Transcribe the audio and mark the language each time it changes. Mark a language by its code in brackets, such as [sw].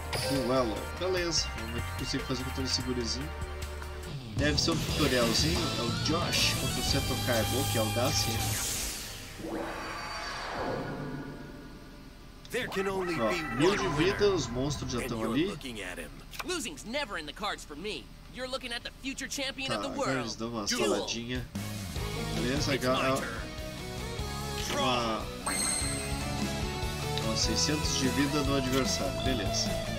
[pt] Duelo, beleza. Vamos ver o que consigo fazer com todo esse gurizinho. Deve ser um tutorialzinho. É o Josh contra o Seto Carbo, que é o Dacia. Ó, 1000 de vida, os monstros já estão ali. [en] Losing's never in the cards for me. You're looking at the future champion of the world. [pt] Tá, eles dão uma saladinha. Beleza, galera. Ó, 600 de vida no adversário, beleza.